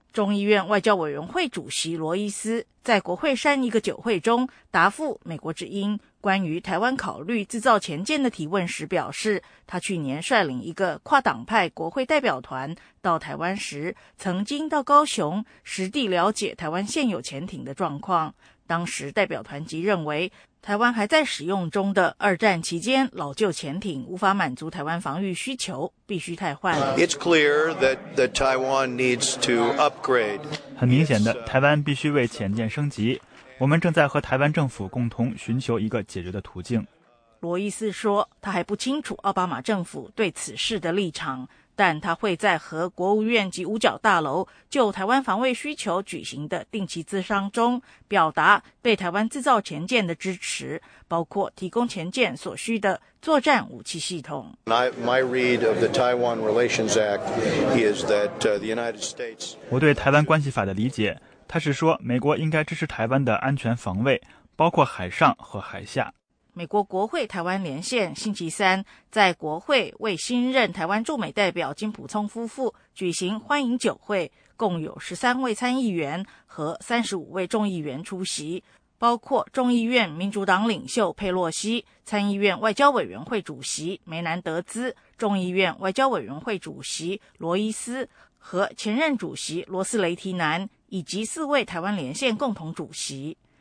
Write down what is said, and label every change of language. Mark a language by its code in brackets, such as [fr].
[zh] 众议院外交委员会主席罗伊斯在国会山一个酒会中答复美国之音关于台湾考虑制造潜舰的提问时表示，他去年率领一个跨党派国会代表团到台湾时，曾经到高雄实地了解台湾现有潜艇的状况。当时代表团即认为，台湾还在使用中的二战期间老旧潜艇无法满足台湾防御需求，必须汰换。 [en] It's clear that the Taiwan needs to upgrade. [zh] 很明显的，台湾必须为潜舰升级。我们正在和台湾政府共同寻求一个解决的途径。罗伊斯说，他还不清楚奥巴马政府对此事的立场，但他会在和国务院及五角大楼就台湾防卫需求举行的定期咨商中表达对台湾制造潜舰的支持，包括提供潜舰所需的作战武器系统。 [en] My read of the Taiwan Relations Act is that the United States [zh] 我对台湾关系法的理解，它是说美国应该支持台湾的安全防卫，包括海上和海下。美国国会台湾连线星期三在国会为新任台湾驻美代表金普聪夫妇举行欢迎酒会，共有13位参议员和35位众议员出席，包括众议院民主党领袖佩洛西、参议院外交委员会主席梅南德兹、众议院外交委员会主席罗伊斯和前任主席罗斯雷提南，以及4位台湾连线共同主席。